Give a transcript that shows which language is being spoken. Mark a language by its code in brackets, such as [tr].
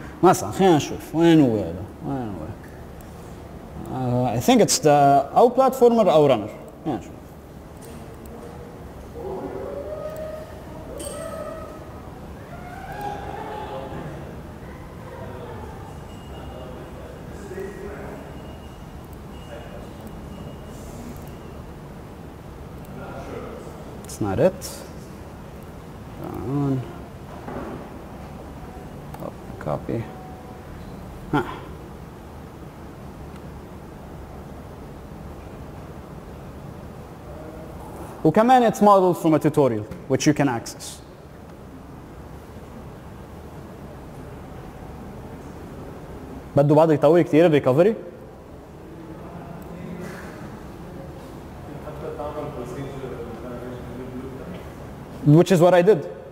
[ar] مثلا خلينا نشوف وين هو هذا وين هو. [en] I think it's the our platformer or runner. Yeah, sure. That's not it. Down. Oh, copy. Huh. وكمان it's modeled from a tutorial which you can access. [ar] بده بعد يطول كثير الريكفري؟ [en] Which is what I did.